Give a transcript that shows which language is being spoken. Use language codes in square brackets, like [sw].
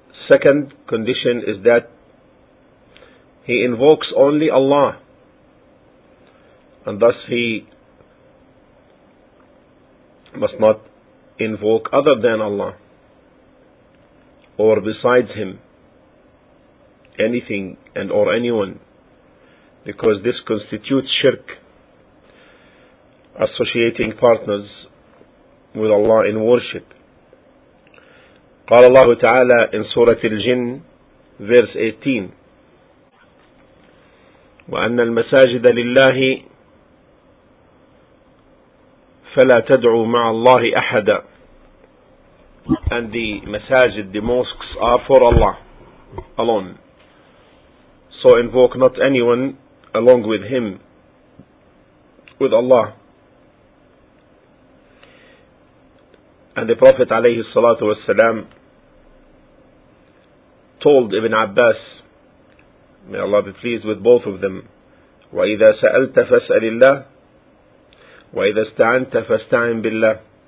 [en] Second condition is that he invokes only Allah, and thus he must not invoke other than Allah, or besides him, anything and or anyone, because this constitutes shirk, associating partners with Allah in worship. [ar] قال الله تعالى [en] in Surah Al-Jinn, verse 18, [ar] وَأَنَّ الْمَسَاجِدَ لِلَّهِ فَلَا تَدْعُوا مَعَ اللَّهِ أَحَدًا. [en] And the masajid, the mosques, are for Allah alone. So invoke not anyone along with him, with Allah. And the Prophet [ar] عليه الصلاة والسلام [en] told Ibn Abbas, may Allah be pleased with both of them, [ar] وَإِذَا سَأَلْتَ فَاسْأَلِ اللَّهِ وَإِذَا اسْتَعَنْتَ فَاسْتَعِنْ بِاللَّهِ.